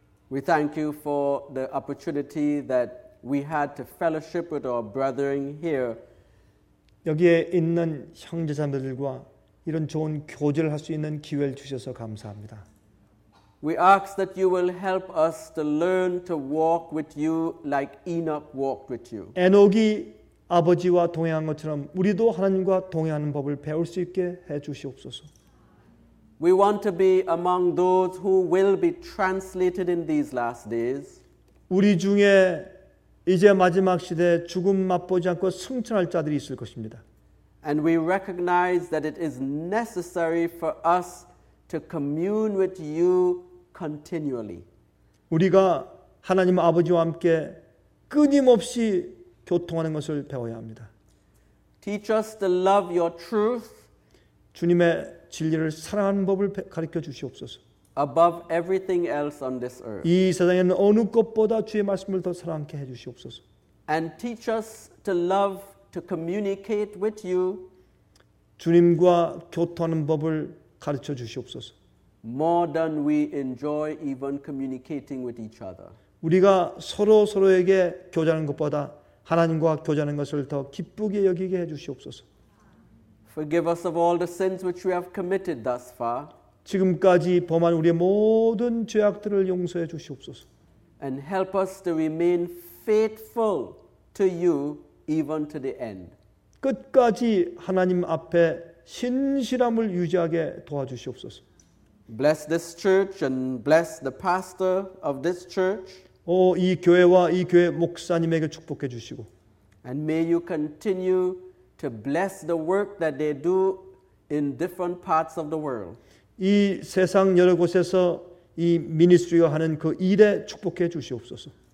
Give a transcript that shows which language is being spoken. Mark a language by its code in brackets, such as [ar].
[en] we thank you for the opportunity that we had to fellowship with our brethren here. [ko] 여기에 있는 형제자매들과 이런 좋은 교제를 할 수 있는 기회를 주셔서 감사합니다. [en] We ask that you will help us to learn to walk with you like Enoch walked with you. [ko] 에녹이 아버지와 동행한 것처럼 우리도 하나님과 동행하는 법을 배울 수 있게 해 주시옵소서. [en] We want to be among those who will be translated in these last days. [ko] 우리 중에 이제 마지막 시대에 죽음 맛보지 않고 승천할 자들이 있을 것입니다. [en] And we recognize that it is necessary for us to commune with you continually. [ko] 우리가 하나님 아버지와 함께 끊임없이 교통하는 것을 배워야 합니다. [en] Teach us to love your truth. [ko] 주님의 진리를 사랑하는 법을 가르쳐 주시옵소서. [en] Above everything else on this earth. [ko] 이 세상에는 어느 것보다 주의 말씀을 더 사랑하게 해 주시옵소서. [en] And teach us to love to communicate with you. [ko] 주님과 교통하는 법을 가르쳐 주시옵소서. [en] More than we enjoy even communicating with each other. [ko] 우리가 서로 서로에게 교제하는 것보다 하나님과 교제하는 것을 더 기쁘게 여기게 해 주시옵소서. [en] Forgive us of all the sins which we have committed thus far. [ko] 지금까지 범한 우리의 모든 죄악들을 용서해 주시옵소서. [en] And help us to remain faithful to you even to the end. [ko] 끝까지 하나님 앞에 신실함을 유지하게 도와주시옵소서. [en] Bless this church and bless the pastor of this church. [ko] 오, 이 교회와 이 교회 목사님에게 축복해 주시고. [en] And may you continue to bless the work that they do in different parts of the world. [ko] 이 세상 여러 곳에서 이 미니스트리가 하는 그 일에 축복해 주시옵소서.